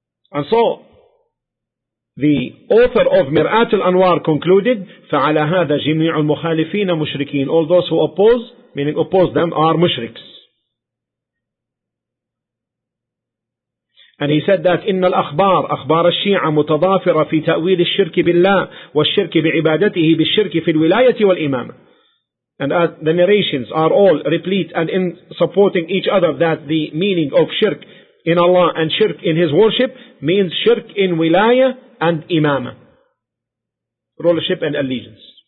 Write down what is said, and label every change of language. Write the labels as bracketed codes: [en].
[en] And so, the author of Mir'at al-Anwar concluded, [ar] فَعَلَى هَذَا جِمِيعُ الْمُخَالِفِينَ مُشْرِكِينَ. [en] All those who oppose, meaning oppose them, are mushriks. And he said that [ar] إِنَّ الْأَخْبَارِ أَخْبَارَ الشِّيعَ مُتَضَافِرَ فِي تَأْوِيلِ الشِّرْكِ بِاللَّهِ وَالشِّرْكِ بِعِبَادَتِهِ بِالشِّرْكِ فِي الْوِلَايَةِ وَالْإِمَامِ. [en] And the narrations are all replete and in supporting each other, that the meaning of shirk in Allah and shirk in His worship means shirk in wilaya and imama, rulership and allegiance.